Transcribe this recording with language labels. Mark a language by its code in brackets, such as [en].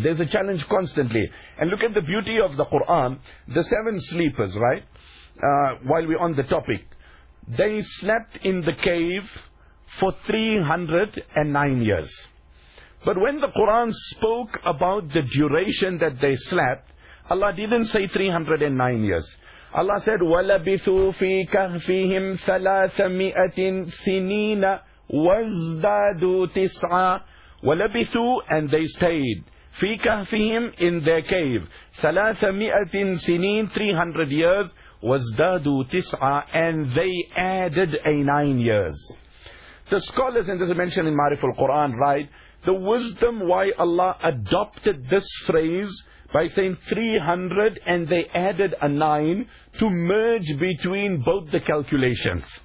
[en] There's a challenge constantly. And look at the beauty of the Quran, the seven sleepers, right? While we're on the topic, they slept in the cave for 309 years. But when the Quran spoke about the duration that they slept, Allah didn't say 309 years. Allah said [ar] وَلَبِثُوا فِي كَهْفِهِمْ ثَلَاثَ مِئَةٍ سِنِينَ وَازْدَادُوا تِسْعَى. وَلَبِثُوا, [en] and they stayed, [ar] فِي كَهْفِهِمْ, [en] in their cave, [ar] ثَلَاثَ مِئَةٍ سِنِينَ, [en] 300 years, [ar] وَازْدَادُوا تِسْعَى, [en] and they added a 9 years. The scholars, and this is mentioned in Ma'arif al-Quran, right? The wisdom why Allah adopted this phrase by saying 300 and they added a 9 to merge between both the calculations.